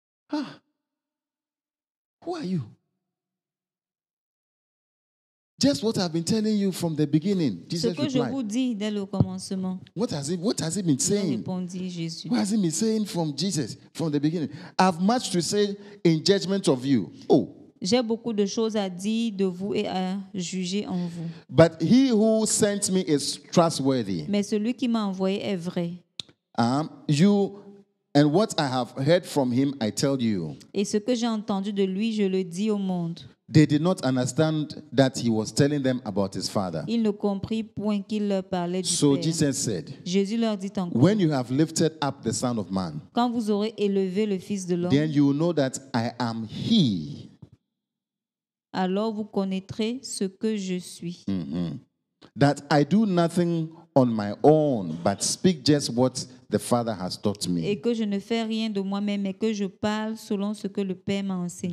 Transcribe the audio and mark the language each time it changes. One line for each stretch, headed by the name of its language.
English: Ah. Who are you? Just what I've been telling you from the beginning. Jesus
French: ce que
English: replied.
French: Je vous dis dès le commencement.
English: What has he been saying?
French: Il a répondu, Jésus.
English: What has he been saying from Jesus from the beginning? I have much to say in judgment of you. Oh.
French: J'ai beaucoup de choses à dire de vous et à juger en vous.
English: But he who sent me is trustworthy.
French: Mais celui qui m'a envoyé est vrai.
English: You and what I have heard from him, I tell you.
French: Et ce que j'ai entendu de lui, je le dis au monde.
English: They did not understand that he was telling them about his father.
French: Ils ne comprirent point qu'il leur parlait du
English: so
French: père.
English: Jesus said,
French: Jésus leur dit encore,
English: when you have lifted up the Son of Man,
French: quand vous aurez élevé le Fils de l'homme,
English: then you will know that I am he.
French: Alors vous connaîtrez ce que je suis. Mm-hmm.
English: That I do nothing on my own, but speak just what the Father has taught me.
French: Et que je ne fais rien de moi-même, mais que je parle selon ce que le Père m'a enseigné.